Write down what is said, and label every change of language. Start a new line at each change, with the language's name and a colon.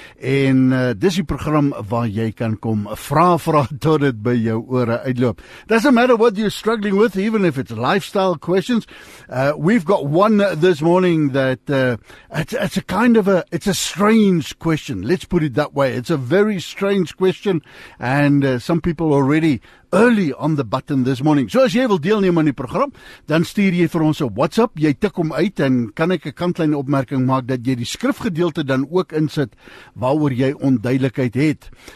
Afrikaans: En dis die program waar jy kan kom vra tot dit by jou ore uitloop.
English: Doesn't matter what you're struggling with, even if it's lifestyle questions. We've got one this morning that it's a strange question. Let's put it that way. It's a very strange question, and some people already early on the button this morning.
Afrikaans: So as jy wil deelneem aan die program, dan stuur jy vir ons 'n WhatsApp. Jy tik hom uit en kan ek 'n kantlyn opmerking maak dat jy die skrifgedeelte dan ook insit waaroor jy onduidelikheid het.